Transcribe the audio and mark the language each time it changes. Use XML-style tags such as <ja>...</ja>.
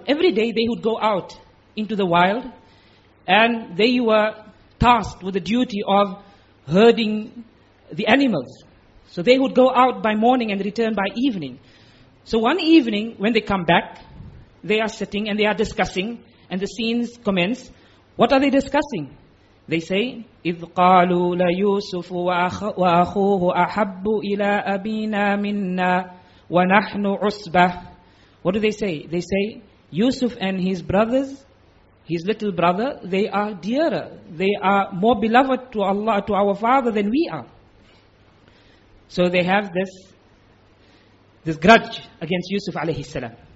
<en>Every day they would go out into the wild, and they were tasked with the duty of herding the animals. So they would go out by morning and return by evening. So one evening, when they come back, they are sitting and they are discussing, and the scenes commence. What are they discussing? They say,</en> <ar>إِذْ قَالُوا لَيُوسُفُ وَأَخُوهُ أَحَبُّ إِلَىٰ أَبِينَا مِنَّا وَنَحْنُ عُصْبَةٌ.</ar> <en>What do they say? They say, Yusuf and his brothers, his little brother, they are dearer. They are more beloved to Allah, to our father, than we are. So they have this grudge against Yusuf alayhi salam.</en>